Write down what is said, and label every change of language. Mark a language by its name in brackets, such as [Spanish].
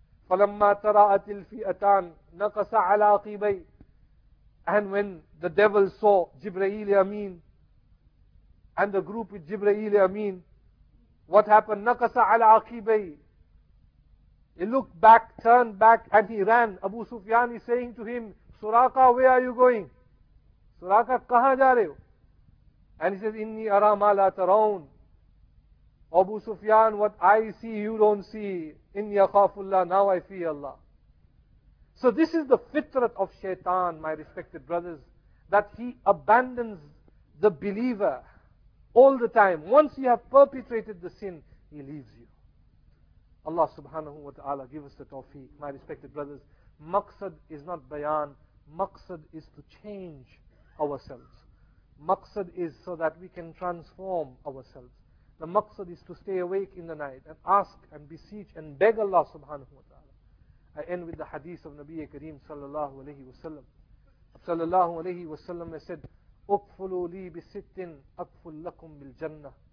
[Arabic] فلما تراءت الفئتان نقص على عقبيه. [English] And when the devil saw Jibreel Amin and the group with Jibreel Amin, what happened? [Arabic] Nakasa ala aqibai. [English] He looked back, turned back, and he ran. Abu Sufyan is saying to him, Suraqa, where are you going? [Urdu] Suraqa, kaha ja rahe ho? [English] And he says, [Arabic] Inni ara ma la taraun. [English] Abu Sufyan, what I see, you don't see. [Arabic] Inni akhafullah, [English] now I fear Allah. So this is the fitrat of shaitan, my respected brothers, that he abandons the believer all the time. Once you have perpetrated the sin, he leaves you. Allah subhanahu wa ta'ala give us the tawfiq, my respected brothers. Maqsad is not bayan, maqsad is to change ourselves. Maqsad is so that we can transform ourselves. The maqsad is to stay awake in the night and ask and beseech and beg Allah subhanahu wa ta'ala. I end with the hadith of Nabi Kareem sallallahu alayhi wa sallam. [Arabic] Sallallahu alayhi wa sallam said, أُكْفُلُوا لِي بِسِتٍ أَكْفُلْ لَكُمْ بِالْجَنَّةِ.